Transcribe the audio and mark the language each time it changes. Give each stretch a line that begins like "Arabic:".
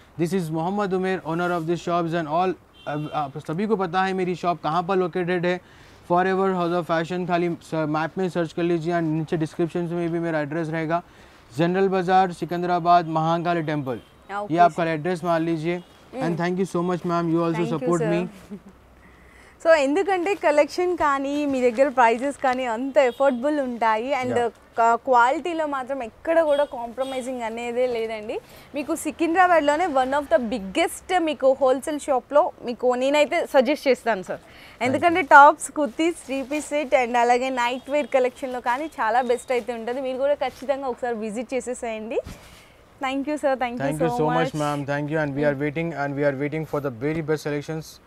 English: This is Mohammad Umer owner of this shops and all.
Hindi: आप सभी को पता है मेरी शॉप कहाँ पर लोकेटेड है, for ever house of fashion. खाली मैप में सर्च कर लीजिए एंड नीचे डिस्क्रिप्शन में भी मेरा एड्रेस रहेगा. जनरल बाजार सिकंदराबाद महाकाली टेम्पल, ये आपका एड्रेस मान लीजिए.
English: And thank you so much ma'am, you also support me.
Telugu: सो ఎందుకంటే కలెక్షన్ కానీ మీ దగ్గర ప్రైజెస్ కానీ అంత ఎఫోర్డబుల్ ఉంటాయి అండ్ క్వాలిటీలో మాత్రం ఎక్కడ కూడా కాంప్రమైజింగ్ అనేది లేదండి. మీకు సికింద్రాబాద్లోనే వన్ ఆఫ్ ద బిగ్గెస్ట్ మీకు హోల్సేల్ షాప్లో మీకు నేనైతే సజెస్ట్ చేస్తాను సార్. ఎందుకంటే tops, kurtis, three piece set and అలాగే నైట్ వేర్ కలెక్షన్లో కానీ చాలా బెస్ట్ అయితే ఉంటుంది. మీరు కూడా ఖచ్చితంగా ఒకసారి విజిట్ చేసేసేయండి.
English: Thank you sir, thank you so much. Thank you so much ma'am, thank you and we are waiting and we are waiting for the very best selections.